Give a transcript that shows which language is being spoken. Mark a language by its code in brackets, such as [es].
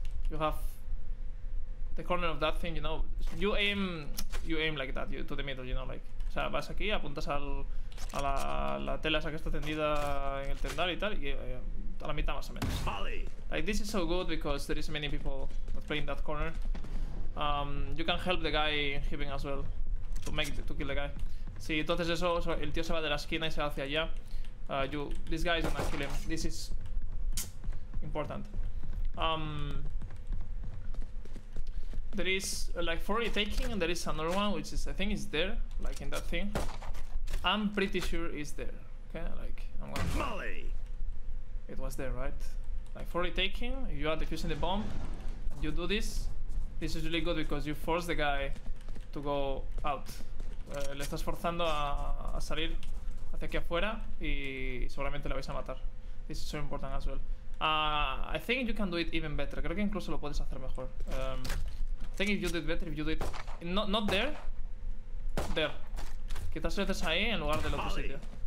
[en] You have the corner of that thing, you know. You aim like that, to the middle, you know, like. [es] O sea, vas aquí, apuntas a la tela esa que está tendida en el tendal y tal, y a la mitad más o menos. [en] Like, this is so good because there is many people that play in that corner. You can help the guy in heaven as well to kill the guy. [es] Sí, entonces eso, el tío se va de la esquina y se va hacia allá. [en] This guy is gonna kill him. This is important. There is, like, for retaking, there is another one, which is, I think, is there, like, in that thing. I'm pretty sure it's there, okay? Like, I'm gonna... Molly! It was there, right? Like, for retaking, if you are defusing the bomb, you do this. This is really good because you force the guy to go out. [es] Le estás forzando a salir hacia aquí afuera y seguramente le vais a matar. [en] This is so important as well. I think you can do it even better. [es] Creo que incluso lo puedes hacer mejor. [en] I think if you did better, if you did not there, there. [es] Quizás lo haces ahí en lugar del otro sitio.